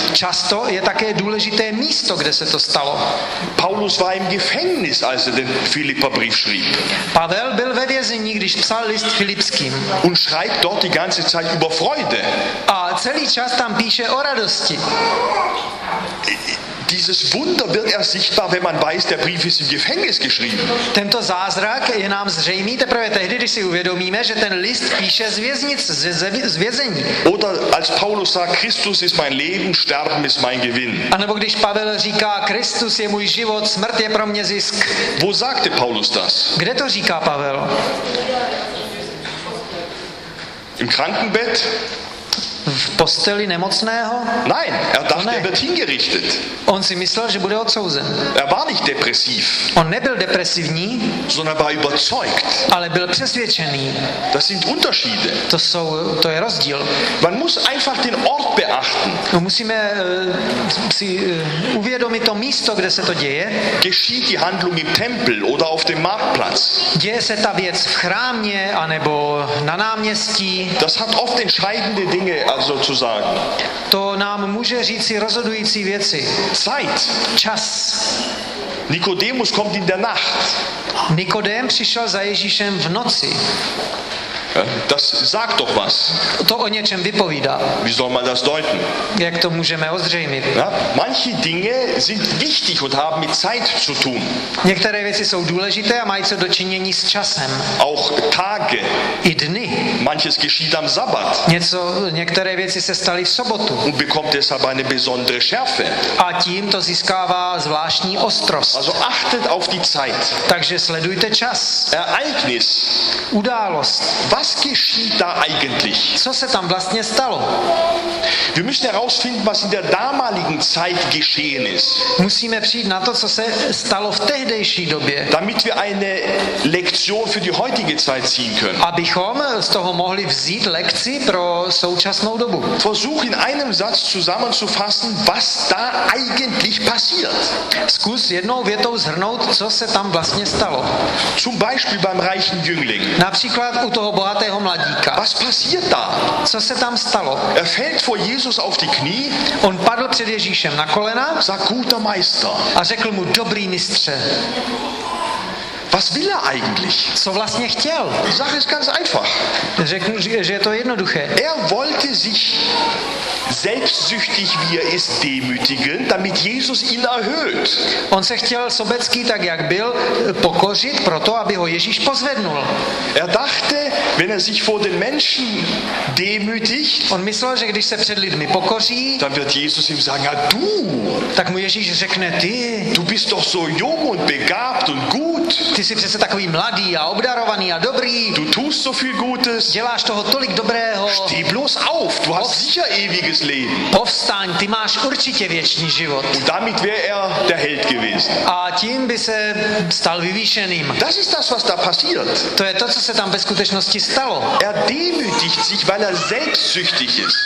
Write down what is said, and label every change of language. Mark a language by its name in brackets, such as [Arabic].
[Czech] Často je také důležité místo, kde se to stalo. [German] Paulus war im Gefängnis, als er den Philipperbrief schrieb. [Czech] Pavel byl ve vězení, když psal list Filipským. [German] Und schreibt dort die ganze Zeit über Freude. [Czech] A celý čas tam píše o radosti. [German] Dieses Wunder wird erst sichtbar, wenn man weiß, der Brief ist im Gefängnis geschrieben. [Czech] Tento zázrak je nám zřejmý teprve tehdy, když si uvědomíme, že ten list píše z věznice, z vězení. [German] Oder als Paulus sagt, Christus ist mein Leben, Sterben ist mein Gewinn. [Czech] A nebo když Pavel říká, Kristus je můj život, smrt je pro mě zisk. [German] Wo sagte Paulus das? [Czech] Kde to říká Pavel? [German] Im Krankenbett? [Czech] V posteli nemocného? [German] Nein, er dachte, er wird hingerichtet. [Czech] On si myslel, že bude odsouzen. [German] Er war nicht depressiv. [Czech] On nebyl depresivní, [German] sondern war überzeugt. [Czech] Ale byl přesvědčený. [German] Das sind Unterschiede. [Czech] To je rozdíl. [German] Man muss einfach den Ort beachten. [Czech] Musíme si uvědomit to místo, kde se to děje. [German] Geschieht die Handlung im Tempel oder auf dem Marktplatz? [Czech] Děje se ta věc v chrámě anebo na náměstí? [German] Das hat oft entscheidende Dinge. Also zu sagen. [Czech] To nám může říci rozhodující věci. [German] Zeit. [Czech] Čas. [German] Nikodemus kommt in der Nacht. [Czech] Nikodém přišel za Ježíšem v noci. [German] Das sagt doch was. [Czech] To o něčem vypovídá. [German] Wie soll man das deuten? [Czech] Jak to můžeme ozřejmit? [German] Ja? Manche Dinge sind wichtig und haben mit Zeit zu tun. [Czech] Některé věci jsou důležité a mají co dočinění s časem. [German] Auch Tage. [Czech] I dny. [German] Manches geschieht am Sabbat. [Czech] Některé věci se staly v sobotu. [German] Und bekommt deshalb eine besondere Schärfe. [Czech] A tím to získává zvláštní ostrost. [German] Also achtet auf die Zeit. [Czech] Takže sledujte čas. [German] Ereignis. [Czech] Událost. [German] Was geschieht da eigentlich? [Czech] Co se tam vlastně stalo? [German] Wir müssen herausfinden, was in der damaligen Zeit geschehen ist. [Czech] Musíme přijít na to, co se stalo v tehdejší době. [German] Damit wir eine Lektion für die heutige Zeit ziehen können. [Czech] Abychom z toho mohli vzít lekci pro současnou dobu. [German] Versuch in einem Satz zusammenzufassen, was da eigentlich passiert. [Czech] Zkus jednou větou shrnout, co se tam vlastně stalo. [German] Zum Beispiel beim reichen Jüngling. [Czech] Například u toho bohatého mladíka. [German] Was passiert da? [Czech] Co se tam stalo? [German] Er fällt vor Jesus auf die Knie. [Czech] On padl před Ježíšem na kolena. [German] Sag guter Meister. [Czech] A řekl mu dobrý mistře. [German] Was will er eigentlich? [Czech] Co vlastně chtěl? [German] Die Sache ist ganz einfach. [Czech] Řeknu, že je to jednoduché. [German] Er wollte sich selbstsüchtig, wie er ist, demütigen, damit Jesus ihn erhöht. [Czech] On se chtěl sobecký, tak jak byl, pokořit proto, aby ho Ježíš pozvednul. [German] Er dachte, wenn er sich vor den Menschen demütigt, [Czech] on myslel, že když se před lidmi pokoří, [German] dann wird Jesus ihm sagen, ja du, [Czech] tak mu Ježíš řekne, ty, [German] du bist doch so jung und begabt und gut, [Czech] ty jsi přece takový mladý a obdarovaný a dobrý, [German] du tust so viel Gutes, [Czech] děláš toho tolik dobrého, [German] steh bloß auf, du hast sicher ewig. [Czech] Povstaň, ty máš určitě věčný život. [German] Und damit wäre er der Held gewesen. [Czech] A tím by se stal vyvýšeným. [German] Das ist das, was da passiert. [Czech] To je to, co se tam ve skutečnosti stalo. [German] Er demütigt sich, weil er selbstsüchtig ist.